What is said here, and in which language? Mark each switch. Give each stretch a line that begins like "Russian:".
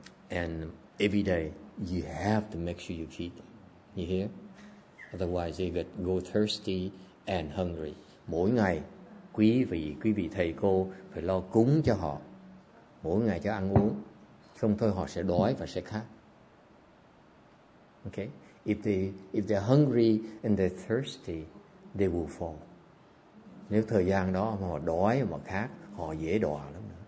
English: And every day you have to make sure you feed them. You hear? Otherwise you could go thirsty and hungry.
Vietnamese: Mỗi ngày quý vị thầy cô phải lo cúng cho họ. Mỗi ngày cho ăn uống. Không thôi họ sẽ đói và sẽ khát.
English: Okay? If they're hungry and they're thirsty, they will fall.
Vietnamese: Nếu thời gian đó mà họ đói mà khát, họ dễ đọa lắm.